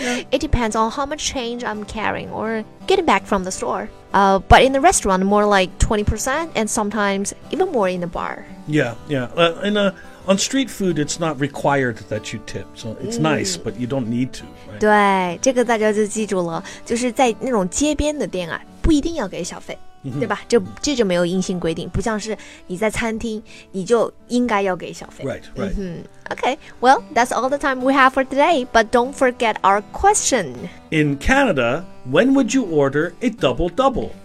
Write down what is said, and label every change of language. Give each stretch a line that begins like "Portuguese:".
English: It depends on how much change I'm carrying or getting back from the store. But in the restaurant, more like 20% and sometimes even more in the bar. Yeah, yeah. On street food, it's not required that you tip, so it's nice, but you don't need to.、Right?
Chinese: 对，这个大家就记住了，就是在那种街边的店啊，不一定要给小费，对吧？这就没有硬性规定，不像是你在餐厅，你就应该要给小费。
English: Right, right.、 Mm-hmm. Okay, well, that's all the time we have for today, but don't forget our question. In Canada, when would you order a double-double?